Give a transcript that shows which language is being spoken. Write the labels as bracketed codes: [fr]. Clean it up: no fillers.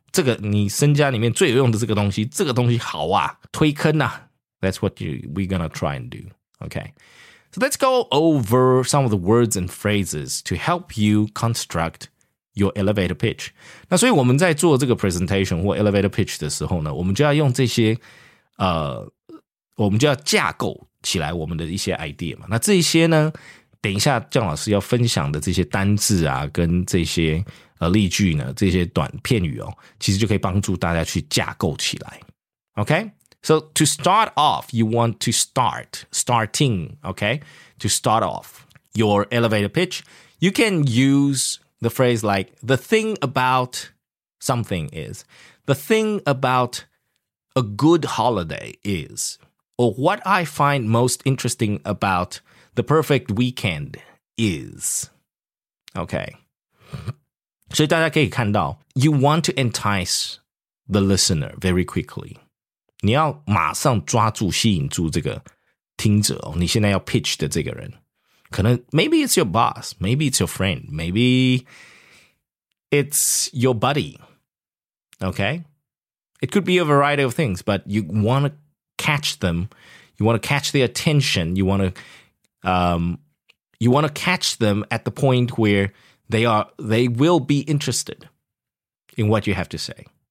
[zh] 这个你身家里面最有用的这个东西好啊推坑啊。 [en] That's what we're gonna try and do, OK. So let's go over some of the words and phrases to help you construct your elevator pitch. [zh] 那所以我们在做这个 presentation 或 elevator pitch 的时候呢我们就要用这些我们就要架构起来我们的一些 idea 嘛。那这些呢等一下姜老师要分享的这些单字啊跟这些例句呢这些短片语哦其实就可以帮助大家去架构起来。 [en] OK? So to start off, you want to starting, OK? To start off your elevator pitch, you can use the phrase like, the thing about something is, the thing about a good holiday is,Or what I find most interesting about the perfect weekend is. Okay. [zh] 所以大家可以看到 [en] you want to entice the listener very quickly. [zh] 你要马上抓住吸引住这个听者哦你现在要 pitch 的这个人。可能 [en] maybe it's your boss, maybe it's your friend, maybe it's your buddy. Okay. It could be a variety of things, but you want toCatch them. You want to catch their attention. You want to catch them at the point where they will be interested in what you have to say.